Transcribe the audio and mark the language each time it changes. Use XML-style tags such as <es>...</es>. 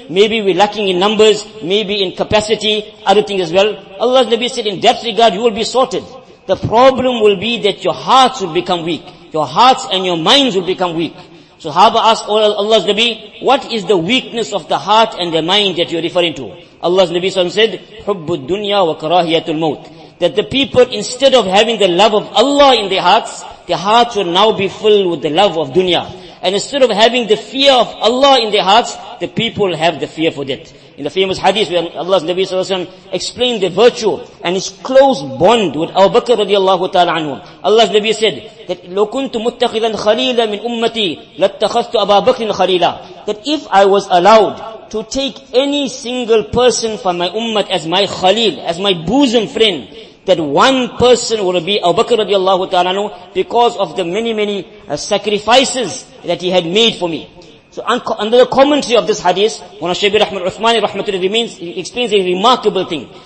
<en>Maybe we're lacking in numbers, maybe in capacity, other things as well. Allah's Nabi said, in that regard, you will be sorted. The problem will be that your hearts will become weak. Your hearts and your minds will become weak. So Sahaba asked Allah's Nabi, what is the weakness of the heart and the mind that you're referring to? Allah's Nabi said,</en> <ar>حُبُّ الدُّنْيَا وَكَرَاهِيَةُ الْمَوْتِ.</ar> <en>That the people, instead of having the love of Allah in their hearts, their hearts will now be filled with the love of dunya. And instead of having the fear of Allah in their hearts, the people have the fear for death. In the famous hadith where Allah's Nabi Sallallahu Alaihi Wasallam explained the virtue and his close bond with Abu Bakr radiallahu ta'ala anhu. Allah's Nabi said that</en> <ar>لو كنت متخذا خليلا من أمتي لاتخذت أبا بكر خليلا.</ar> <en>That if I was allowed to take any single person from my ummah as my khalil, as my bosom friend, that one person will be Abu Bakr radiallahu ta'ala anhu because of the many, many sacrifices that he had made for me. So under the commentary of this hadith, when Shaykh Rahman Uthmani rahmatullah remains, he explains a remarkable thing.</en>